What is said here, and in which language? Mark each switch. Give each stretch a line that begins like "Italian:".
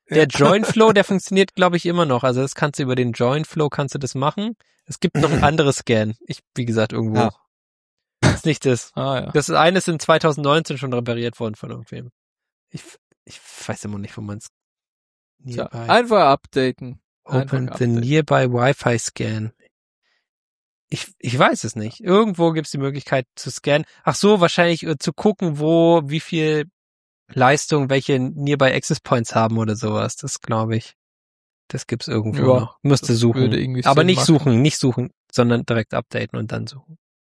German: Der Join-Flow, der funktioniert, glaube ich, immer noch. Also das kannst du über den Join-Flow kannst du das machen. Es gibt noch ein anderes Scan. Ich, wie gesagt, irgendwo. Ja. Das ist nicht das. Ah, ja. Das eine ist in 2019 schon repariert worden von irgendwem. Ich weiß immer nicht, wo man es einfach updaten.
English: Open the nearby Wi-Fi Scan.
German: Ich weiß es nicht. Irgendwo gibt es die Möglichkeit zu scannen. Ach so, wahrscheinlich zu gucken, wo, wie viel Leistung welche Nearby Access Points haben oder sowas. Das glaube ich. Das gibt's irgendwo noch. Müsste suchen. Würde irgendwie Sinn aber nicht machen. Suchen, nicht suchen, sondern direkt updaten und dann suchen.